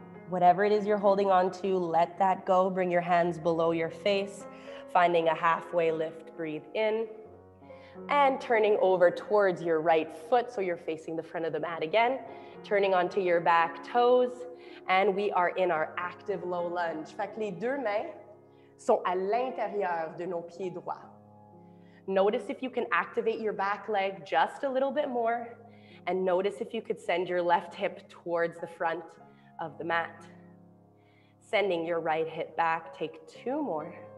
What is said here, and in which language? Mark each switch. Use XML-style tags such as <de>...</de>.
<en>Whatever it is you're holding on to, let that go. Bring your hands below your face, finding a halfway lift. Breathe in and turning over towards your right foot so you're facing the front of the mat again. Turning onto your back toes, and we are in our active low lunge.</en> <fr>Fait que les deux mains sont à l'intérieur de nos pieds droits.</fr> <en>Notice if you can activate your back leg just a little bit more, and notice if you could send your left hip towards the front of the mat. Sending your right hip back, take two more.</en>